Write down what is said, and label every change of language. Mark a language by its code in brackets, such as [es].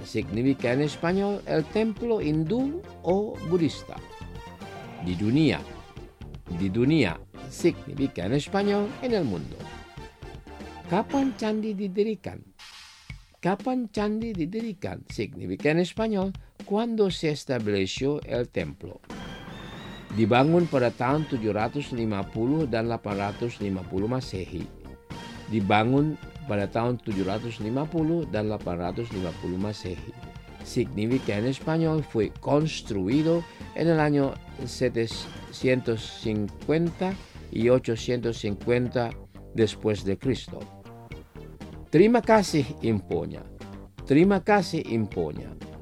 [es] Significa en español el templo Hindu o Budista. [id] Di dunia. Di dunia. [es] Significa en español en el mundo. [id] Kapan candi didirikan? Kapan candi didirikan? [es] Significa en español cuando se estableció el templo. [id] Dibangun pada tahun 750 dan 850 Masehi. Dibangun pada tahun 750 dan 850 Masehi. [es] Significa en español fue construido en el año 750 y 850 después de Cristo. [id] Terima kasih infonya. Terima kasih infonya.